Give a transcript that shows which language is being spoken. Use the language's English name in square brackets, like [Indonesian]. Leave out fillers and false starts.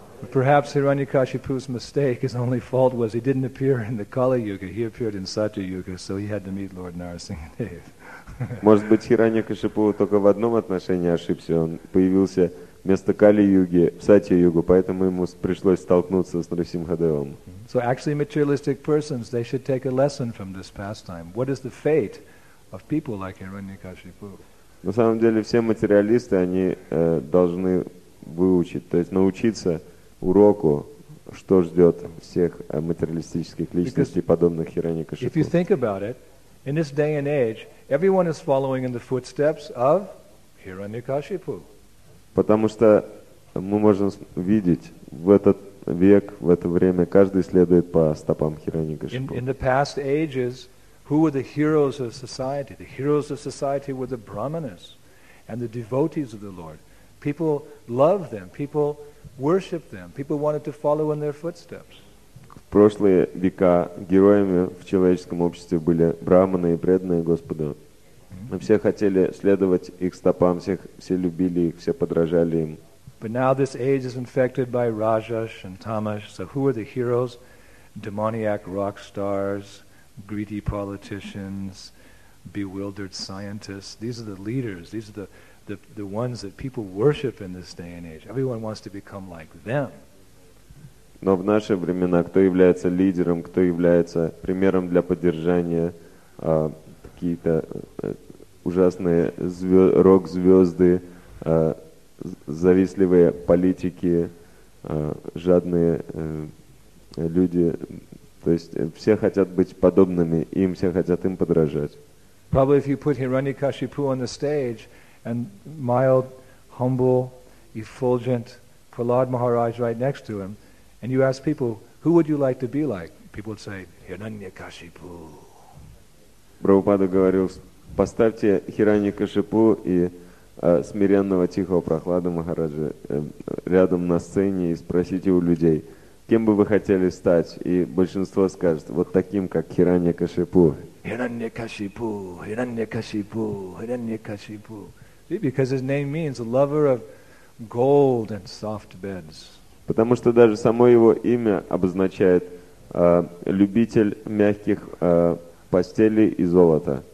[English] Perhaps Hiranyakashipu's mistake, his only fault was he didn't appear in the Kali Yuga, he appeared in Satya Yuga, so he had to meet Lord Narasimhadev. [Russian] Может быть, Хиранья-Кашипу только в одном отношении ошибся. Он появился вместо Кали-Юги в Сатья-Югу, поэтому ему пришлось столкнуться с Нарасимхадевом. [English] So actually materialistic persons, they should take a lesson from this pastime. What is the fate of people like Hiranyakashipu? [Russian] На самом деле, все материалисты, они должны выучить, то есть научиться уроку, что ждет всех материалистических личностей, подобных Хиранья-Кашипу. [English] If you think about it, in this day and age, everyone is following in the footsteps of Hiranyakashipu. [Russian] Потому что мы можем видеть в этот век, в это время, каждый следует по стопам Хиранья-Кашипу. [English] In the past ages, who were the heroes of society? The heroes of society were the brahmanas and the devotees of the Lord. People loved them. People worshipped them. People wanted to follow in their footsteps. [Russian] В прошлые века героями в человеческом обществе были брахманы и преданные Господу. Мы все хотели следовать их стопам, все любили их, все подражали им. [English] But now this age is infected by Rajas and Tamas. So who are the heroes? Demoniac rock stars, greedy politicians, bewildered scientists. These are the leaders. These are the ones that people worship in this day and age. Everyone wants to become like them. [Russian] Но в наши времена, кто является лидером, кто является примером для поддержания, какие-то ужасные рок-звезды, завистливые политики, жадные люди. То есть все хотят быть подобными, им все хотят им подражать. [English] Probably if you put Hiranyakashipu on the stage and mild, humble, effulgent Prahlad Maharaj right next to him, and you ask people, who would you like to be like? People would say, Hiranyakashipu. [Russian] Prabhupada говорил, поставьте Хиранья-Кашипу и смиренного тихого Прохлада Махараджа рядом на сцене и спросите у людей, кем бы вы хотели стать? И большинство скажет, вот таким, как Хиранья-Кашипу. [English] Hiranyakashipu, Hiranyakashipu, Hiranyakashipu. See, because his name means a lover of gold and soft beds. [Russian] Потому что даже само его имя обозначает любитель мягких постелей и золота.